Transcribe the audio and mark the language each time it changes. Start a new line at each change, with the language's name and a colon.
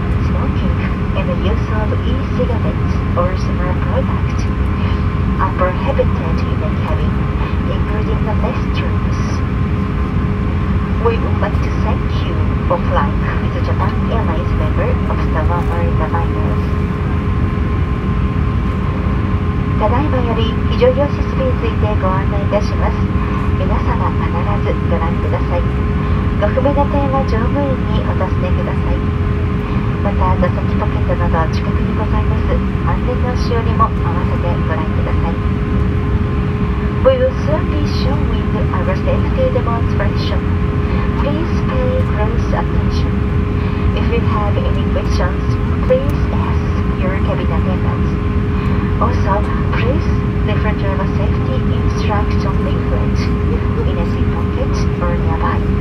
English: Smoking and the use of e-cigarettes or similar products are prohibited in the cabin, including the restrooms. We would like to thank you for flying with the Japan Airlines member of the One Marina Liners.
Japanese: ただいまより非常用設備についてご案内いたします。皆様必ずご覧ください。ご不明な点は乗務員にお尋ねください。また座席ポケットなど近くにございます安全のしおりも合わせてご覧ください。
English: We will soon be showing our safety demonstration. Please pay close attention. If you have any questions, please ask your cabin attendantsAlso, please refer to the safety instruction leaflet in a seat pocket or nearby.